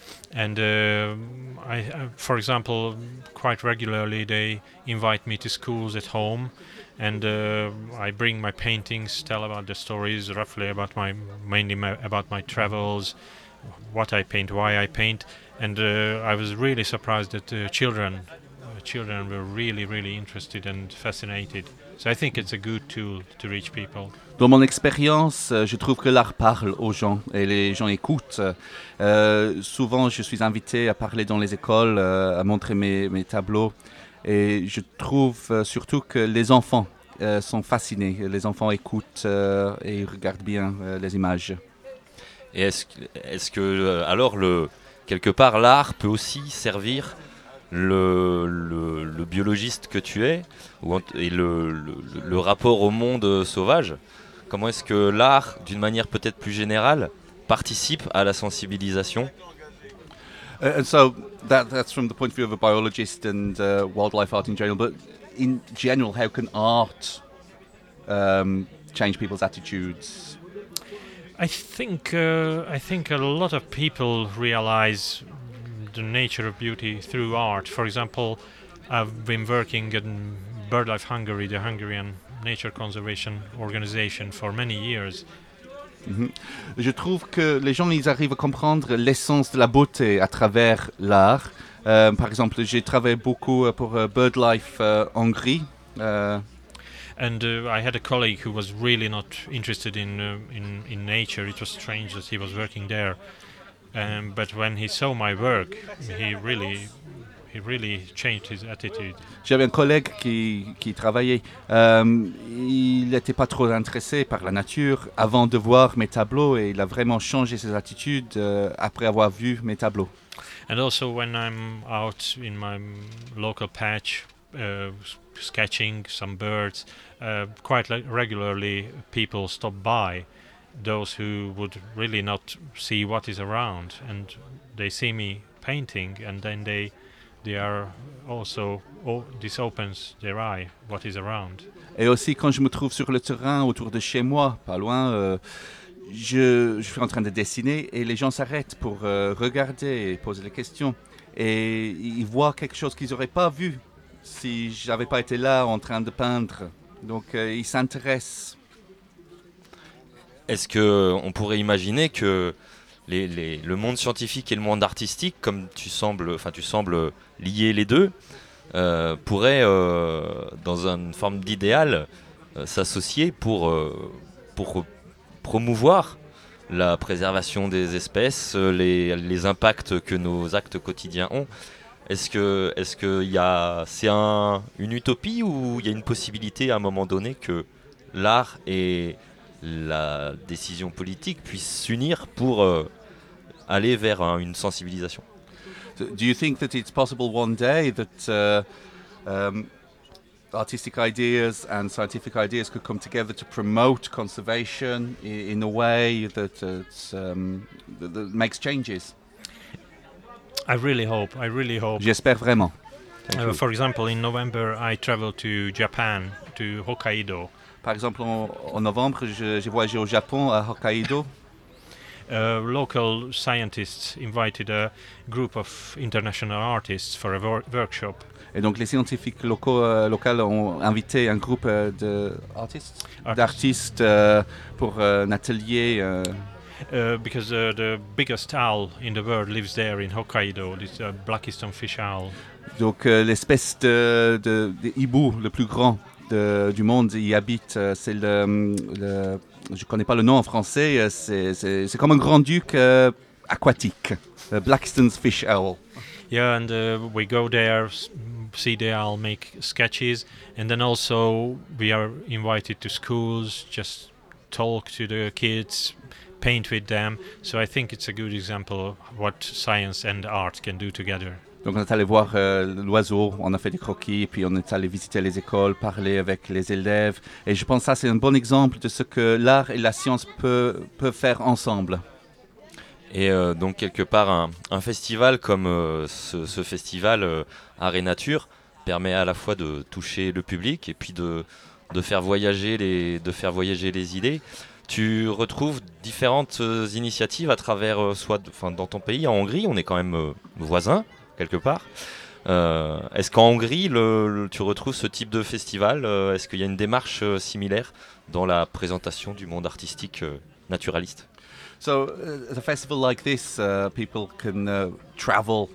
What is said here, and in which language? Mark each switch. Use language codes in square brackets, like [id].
[en] And I, for example, quite regularly they invite me to schools at home, and I bring my paintings, tell about the stories, roughly about about my travels, what I paint, why I paint, and I was really surprised that children were really, really interested and fascinated. So I think it's a good tool to reach people. [fr] Dans mon expérience, je trouve que l'art parle aux gens et les gens écoutent. Souvent, je suis invité à parler dans les écoles, à montrer mes tableaux. Et je trouve surtout que les enfants sont fascinés. Les enfants écoutent et regardent bien les images. Et est-ce que, alors, quelque part, l'art peut aussi servir le biologiste que tu es et le rapport au monde sauvage? Comment est-ce que l'art, d'une manière peut-être plus générale, participe à la sensibilisation? [en] And so that's from the point of view of a biologist and wildlife art in general, but in general, how can art change people's attitudes? I think a lot of people realize the nature of beauty through art. For example, I've been working in BirdLife Hungary, the Hungarian nature conservation organization, for many years. Mm-hmm. [fr] Je trouve que les gens, ils arrivent à comprendre l'essence de la beauté à travers l'art. Par exemple, j'ai travaillé beaucoup pour BirdLife Hungary. [en] And I had a colleague who was really not interested in nature. It was strange that he was working there. But when he saw my work, he really changed his attitude. [fr] J'avais un collègue qui travaillait. Il n'était pas trop intéressé par la nature avant de voir mes tableaux, et il a vraiment changé ses attitudes après avoir vu mes tableaux. [en] And also when I'm out in my local patch sketching some birds, quite regularly people stop by. Those who would really not see what is around, and they see me painting, and then they are also, this opens their eye, what is around. [fr] Et aussi quand je me trouve sur le terrain autour de chez moi, pas loin, je suis en train de dessiner, et les gens s'arrêtent pour regarder et poser des questions, et ils voient quelque chose qu'ils n'auraient pas vu si je n'avais pas été là en train de peindre. Donc, il s'intéresse. Est-ce qu'on pourrait imaginer que le monde scientifique et le monde artistique, comme tu sembles lier les deux, pourraient, dans une forme d'idéal, s'associer pour promouvoir la préservation des espèces, les impacts que nos actes quotidiens ont? Est-ce que c'est une utopie ou il y a une possibilité à un moment donné que l'art et la décision politique puissent s'unir pour aller vers une sensibilisation? [en] Do you think that it's possible one day that artistic ideas and scientific ideas could come together to promote conservation in a way that that makes changes? I really hope. [fr] J'espère vraiment. [en] For example, in November, I traveled to Japan, to Hokkaido. [fr] Par exemple, en novembre, j'ai voyagé au Japon, à Hokkaido. [en] Local scientists invited a group of international artists for a workshop. [fr] Et donc, les scientifiques locaux ont invité un groupe d'artistes pour un atelier. [en] Because the biggest owl in the world lives there in Hokkaido, this Blackstone fish owl. [fr] Donc l'espèce de hibou le plus grand du monde y habite. C'est le je connais pas le nom en français. C'est comme un grand duc aquatique, Blackstone's fish owl. [en] Yeah, and we go there, see the owl, make sketches, and then also we are invited to schools, just talk to the kids, paint with them. So I think it's a good example of what science and art can do together. [fr] Donc on est allé voir l'oiseau, on a fait des croquis, puis on est allé visiter les écoles, parler avec les élèves. Et je pense que ça c'est un bon exemple de ce que l'art et la science peuvent faire ensemble. Et donc quelque part un festival comme ce festival Art et Nature permet à la fois de toucher le public et puis de faire voyager les idées. Tu retrouves différentes initiatives à travers, dans ton pays, en Hongrie, on est quand même voisins, quelque part. Est-ce qu'en Hongrie, tu retrouves ce type de festival? Est-ce qu'il y a une démarche similaire dans la présentation du monde artistique naturaliste? [en] So, at a festival like this, people can travel.